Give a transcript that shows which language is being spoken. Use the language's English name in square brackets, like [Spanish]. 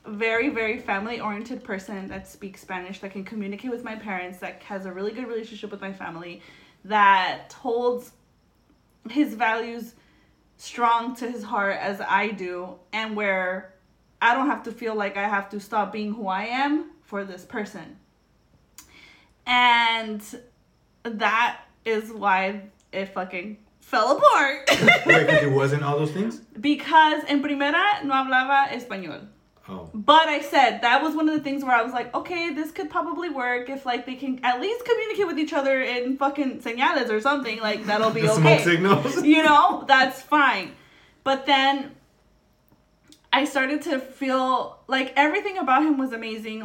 [English] very, very family-oriented person that speaks Spanish, that can communicate with my parents, that has a really good relationship with my family, that holds his values strong to his heart as I do, and where I don't have to feel like I have to stop being who I am for this person. And that is why it fucking fell apart. Because it wasn't all those things? Because [Spanish] en primera no hablaba español. [English] Oh. But I said, that was one of the things where I was like, okay, this could probably work if, like, they can at least communicate with each other in fucking señales or something. Like, that'll be the okay. Smoke signals. You know? That's fine. But then I started to feel like everything about him was amazing.